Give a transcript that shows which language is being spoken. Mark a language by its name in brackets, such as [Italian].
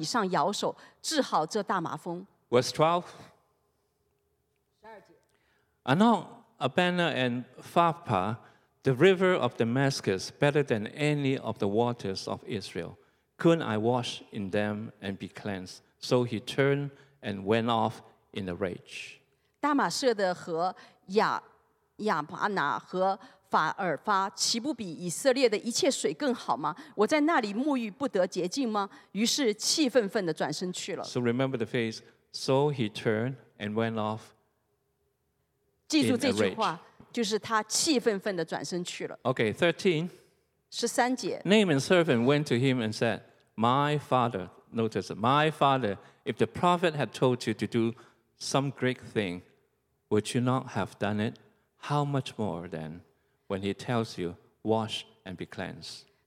[Chinese] 乃曼却发怒走了，说：“我想他必定出来见我，站着求告耶和华他神的名，再唤出以上摇手，治好这大麻风。” [English] Verse 12. [Chinese] 12节. [English] Anon, Abana and Phapha, the river of Damascus, better than any of the waters of Israel. Couldn't I wash in them and be cleansed? So he turned and went off in a rage. [Chinese] 大马色的河亚巴拿和 法尔发岂不比以色列的一切水更好吗？我在那里沐浴不得洁净吗？于是气愤愤地转身去了。 [English] So remember the phrase. So he turned and went off. [Chinese] 记住这句话，就是他气愤愤地转身去了。 [English] Okay, 13. [Chinese] 13节. [English] Naaman's servant went to him and said, "My father, notice, my father, if the prophet had told you to do some great thing, would you not have done it? How much more then?" When he tells you, wash and be cleansed.